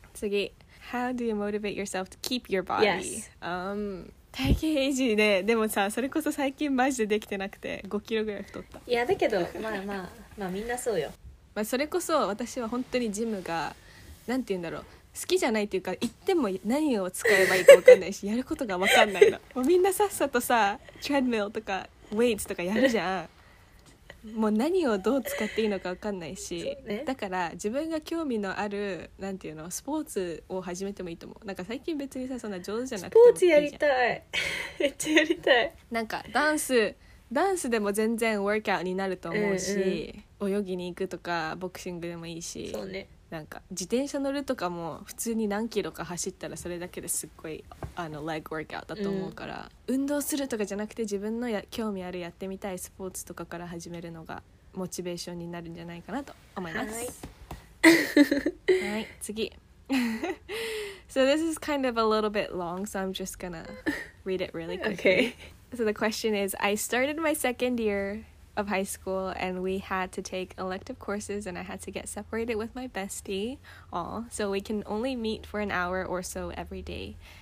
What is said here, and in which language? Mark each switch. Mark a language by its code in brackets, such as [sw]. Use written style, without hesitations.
[en] 次 How do you motivate yourself to keep your body? Yes [ja] 体型維持ね。でもさそれこそ最近マジでできてなくて5キロぐらい太ったいやだけどまあみんなそうよまあそれこそ私は本当にジムがなんて言うんだろう好きじゃないっていうか行っても何を使えばいいか分かんないしやることが分かんないのもうみんなさっさとさトレッドミルとかウェイツとかやるじゃんもう何をどう使っていいのか分かんないし、ね、だから自分が興味のあるなんていうのスポーツを始めてもいいと思うなんか最近別にさそんな上手じゃなくてもいいじゃんスポーツやりたいめっちゃやりたいなんかダンスでも全然ワークアウトになると思うし、うんうん、泳ぎに行くとかボクシングでもいいしそうねなんか自転車乗るとかも普通に何キロか走ったらそれだけですっごいあのレッグワークアウトだと思うから、うん、運動するとかじゃなくて自分のや興味あるやってみたいスポーツとかから始めるのがモチベーションになるんじゃないかなと思います。はい、はい、次 [en] So this is kind of a little bit long, so I'm just gonna read it really quickly. Okay. So the question is, I started my second year of high school and we had to take elective courses and I had to get separated with my bestie, aw, so we can only meet for an hour or so every day.